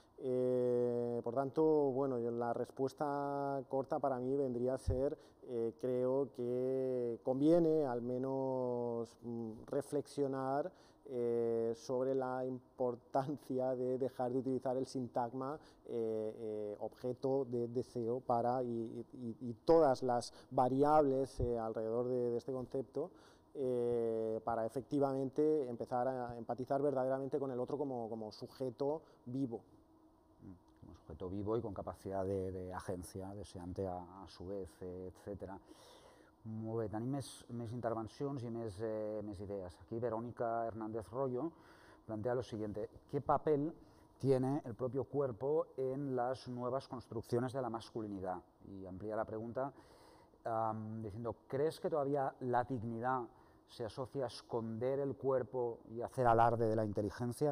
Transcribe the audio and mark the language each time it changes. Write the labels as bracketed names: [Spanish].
[Spanish] Por tanto, bueno, la respuesta corta para mí vendría a ser, creo que conviene al menos reflexionar sobre la importancia de dejar de utilizar el sintagma objeto de deseo para y todas las variables alrededor de este concepto. Para efectivamente empezar a empatizar verdaderamente con el otro como sujeto vivo. Como sujeto vivo y con capacidad de agencia, deseante a su vez, etc. Muy bien, [Catalan] tenim més intervencions i més idees. [Spanish] Aquí Verónica Hernández Royo plantea lo siguiente: ¿qué papel tiene el propio cuerpo en las nuevas construcciones de la masculinidad? Y amplía la pregunta diciendo, ¿crees que todavía la dignidad se asocia a esconder el cuerpo y hacer alarde de la inteligencia?